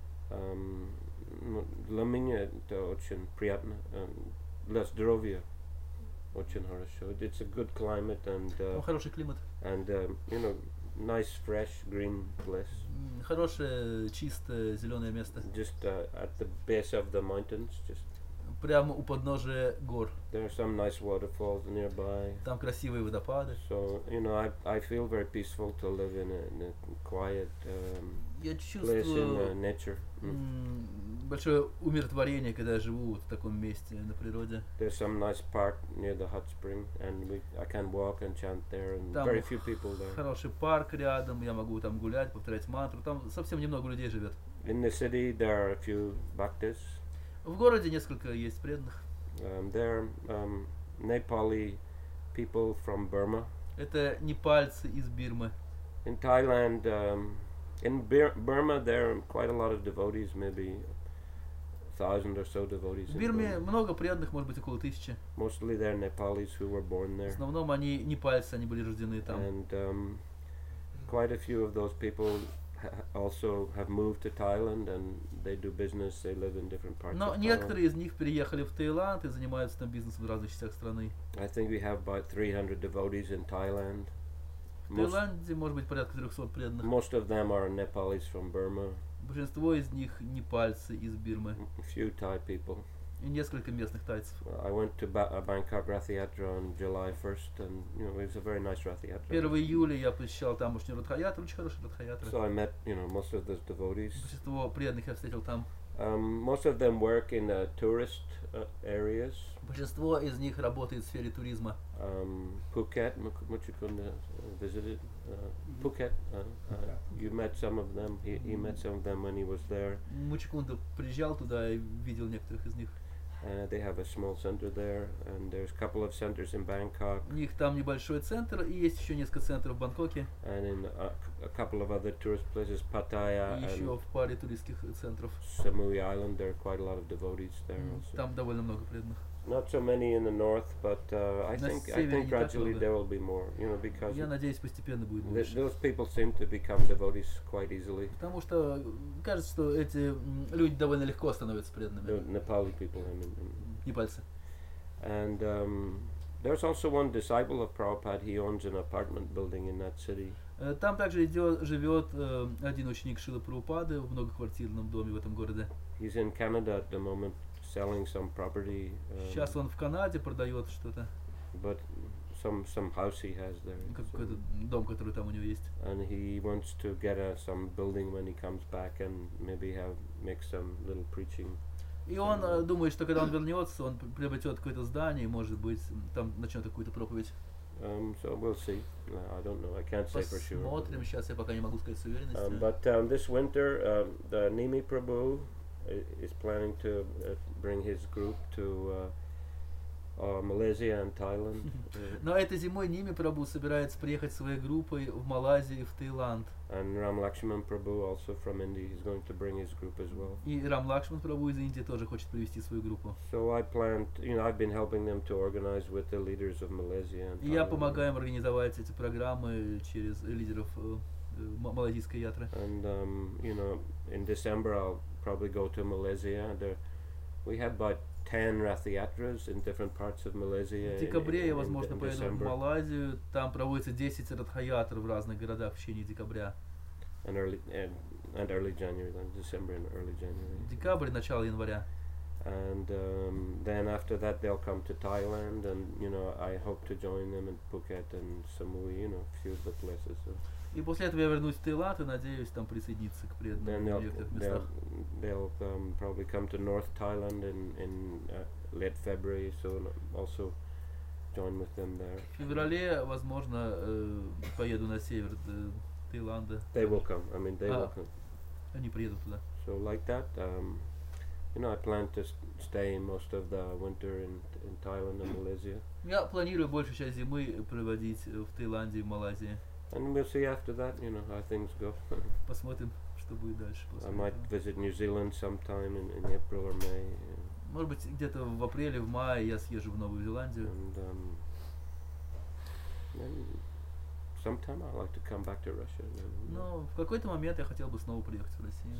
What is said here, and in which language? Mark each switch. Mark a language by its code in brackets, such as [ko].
[ru] Ну, для меня это очень приятно, для здоровья очень хорошо. [en] It's a good climate and [ru] хороший климат. [en] And you know, nice fresh green place. [ru] Хорошее чистое зеленое место. [en] Just at the base of the mountains, just. [ru] Прямо у подножия гор. [en] There are some nice waterfalls nearby. [ru] Там красивые водопады. [en] So, you know, I feel very peaceful to live in a quiet place in nature. [ru] Большое умиротворение, когда я живу вот в таком месте на природе. [en] There's some nice park near the hot spring, and I can walk and chant there, and [ru] там [en] very few people there. [ru] Хороший парк рядом, я могу там гулять, повторять мантру. Там совсем немного людей живет. [en] In the city there are a few bhaktas. [ru] В городе несколько есть преданных. [en] There Nepali people from Burma. [ru] Это непальцы из Бирмы. [en] In Thailand, in Burma, there are quite a lot of devotees, maybe 1,000 or so devotees. [ru] В Бирме много преданных, может быть около 1,000. [en] Mostly they're Nepalis who were born there. [ru] В основном они непальцы, они были рождены там. [en] And quite a few of those people also have moved to Thailand and they do business, they live in different parts. [ru] Но [en] of [ru] некоторые из них переехали в Таиланд и занимаются там бизнесом в разных частях страны. [en] I think we have about 300 devotees in Thailand. [ru] В Таиланде, может быть, порядка 300 преданных. [en] Most of them are Nepalis from Burma. [ru] Большинство из них непальцы из Бирмы. [en] Few Thai people. [ru] И несколько местных тайцев. [en] I went to Bangkok Rathiatra on July 1st, and you know, it was a very nice Rathiatra. [ru] 1 июля я посещал тамошнюю Радхаятру, очень хорошая Радхаятра. [en] So I met, you know, most of those devotees. [ru] Большинство преданных я встретил там. [en] Most of them work in tourist areas. [ru] Большинство из них работает в сфере туризма. [en] Phuket, Muchukunda visited. Phuket, you met some of them. He met some of them when he was there. [ru] Muchukunda приезжал туда и видел некоторых из них. [en] They have a small center there, and there's a couple of centers in Bangkok. [ru] У них там небольшой центр, и есть еще несколько центров в Бангкоке. [en] And in a couple of other tourist places, Pattaya. [ru] И еще в паре туристических центров. [en] Samui Island, there are quite a lot of devotees there. [ru] Там довольно много преданных. [en] Not so many in the north, but I think gradually there will be more. You know, because [ru] я надеюсь, постепенно будет больше. [en] Those people seem to become devotees quite easily. [ru] Потому что кажется, что эти люди довольно легко становятся преданными. [en] Nepali people, I mean. [ru] Непальцы. [en] And there's also one disciple of Prabhupada. He owns an apartment building in that city. [ru] Там также живет один ученик Шрилы Прабхупады в многоквартирном доме в этом городе. [en] He's in Canada at the moment. Selling some property. [ru] Сейчас он в Канаде продает что-то. [en] But some house he has there. [ru] Какой-то дом, который там у него есть. [en] And he wants to get some building when he comes back and maybe make some little preaching. [ru] И он думает, что когда он вернется, он приобретет какое-то здание и, может быть, там начнет какую-то проповедь. [en] So we'll see. I don't know. I can't say for sure. [ru] Посмотрим. Сейчас я пока не могу сказать с уверенностью. [en] But this winter, the Nimi Prabhu is planning to bring his group to Malaysia and Thailand. [ru] Но этой зимой Nimi Prabhu собирается приехать своей группой в Малайзию и в Таиланд. [en] And Ram Lakshman Prabhu also from India is going to bring his group as well. [ru] И Рам Лакшман Прабху из Индии тоже хочет привести свою группу. [en] So I planned, you know, I've been helping them to organize with the leaders of Malaysia and Thailand. [ru] И я помогаю им организовать эти программы через лидеров малайзийской ятры. [en] And you know, in December I'll probably go to Malaysia. There, we have about 10 Rathiatras in different parts of Malaysia. [ru] В декабре я, возможно, поеду в Малайзию. Там проводится 10 Рathiatr в разных городах в течение декабря. [en] And early January, then December and early January. [ru] Декабрь, начало января. [en] And then after that they'll come to Thailand, and you know, I hope to join them in Phuket and Samui, you know, a few of the places. So. [ru] И после этого я вернусь в Таиланд и надеюсь там присоединиться к преданным в некоторых местах. [en] They'll probably come to North Thailand in late February, so also join with them there. [ru] В феврале, возможно, поеду на север Таиланда. [en] They will come. I mean, they will come. [ru] Они приедут туда. [en] So like that, you know, I plan to stay most of the winter in Thailand and Malaysia. [ru] Я планирую большую часть зимы проводить в Таиланде и Малайзии. [en] And we'll see after that, you know, how things go. [ru] Посмотрим, что. что будет дальше после этого. [en] I might visit New Zealand sometime in April or May. [ru] Может быть, где-то в апреле, в мае я съезжу в Новую Зеландию. [en] And sometime I like to come back to Russia. [ru] Но в какой-то момент я хотел бы снова приехать в Россию.